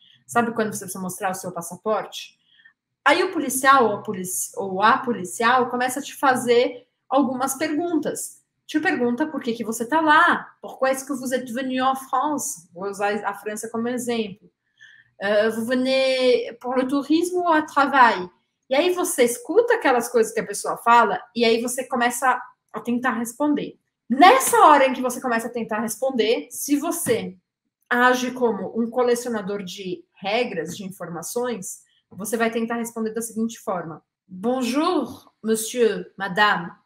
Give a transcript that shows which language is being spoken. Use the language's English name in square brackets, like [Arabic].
[Portuguese] Sabe quando você precisa mostrar o seu passaporte? Aí o policial ou a policial começa a te fazer algumas perguntas. Te pergunta por que que você está lá, por que é que você [French] est venu en France? [Portuguese] Vou usar a França como exemplo. [French] Vous venez pour le tourisme ou à travail? [Portuguese] E aí você escuta aquelas coisas que a pessoa fala e aí você começa a tentar responder. Nessa hora em que você começa a tentar responder, se você age como um colecionador de regras, de informações, você vai tentar responder da seguinte forma: [French] Bonjour, monsieur, madame.